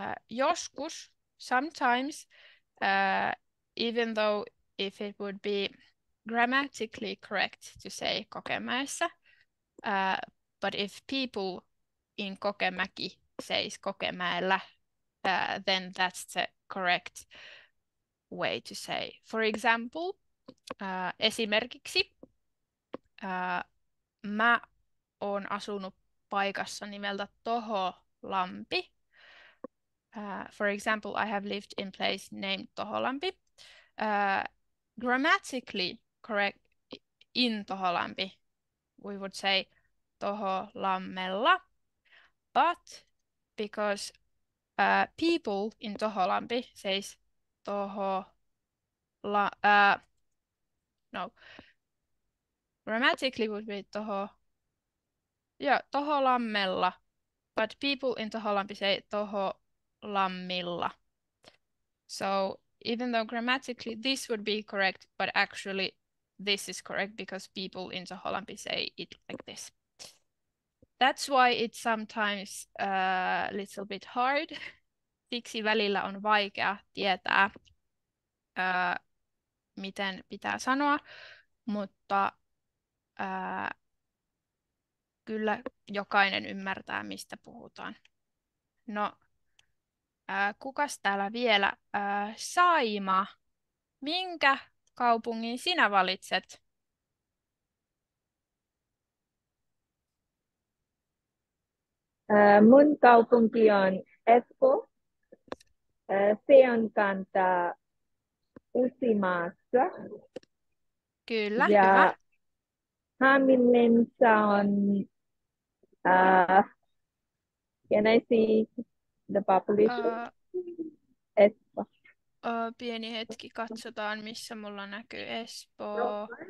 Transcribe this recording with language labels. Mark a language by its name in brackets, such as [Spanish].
[Finnish] Joskus, [English] sometimes, even though if it would be grammatically correct to say Kokemäessä, but if people in Kokemäki says Kokemäellä, then that's the correct way to say. For example, [Finnish] esimerkiksi, mä oon asunut paikassa nimeltä Toholampi. [English] For example, I have lived in place named Toholampi. Grammatically correct in Toholampi, we would say Toholammella, but because people in Toholampi says grammatically would be Toholammella, but people in Toholampi say Toholammilla. So even though grammatically this would be correct, but actually this is correct because people in Toholampi say it like this. That's why it's sometimes a little bit hard. [Finnish] Siksi välillä on vaikea tietää, miten pitää sanoa, mutta kyllä jokainen ymmärtää, mistä puhutaan. No, kukas täällä vielä? Saima, minkä kaupungin sinä valitset? Mun kaupunki on Espoo. Se on kanta Uusimaassa. Kyllä, ja hyvä. Haminen on [English] Can I see the population? [Finnish] Espoo. Pieni hetki, katsotaan missä mulla näkyy Espoo.